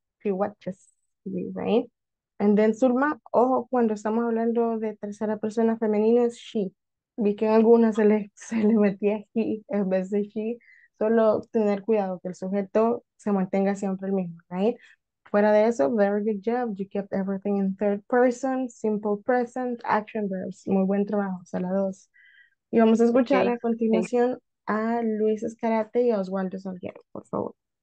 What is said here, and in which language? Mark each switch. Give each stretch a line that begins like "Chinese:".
English: She watches, right? And then
Spanish: Zulma, ojo, cuando estamos hablando de tercera persona femenino es she. Vi que en algunas se le metía he en vez de she. Solo tener cuidado que el sujeto se mantenga siempre el mismo, right? Fuera de eso,
English: very good job. You kept everything in third person, simple present, action verbs.
Spanish: Muy buen trabajo, sala dos. Y vamos a escuchar okay. A continuación a Luis Escarate y a Oswaldo Salguero, por favor.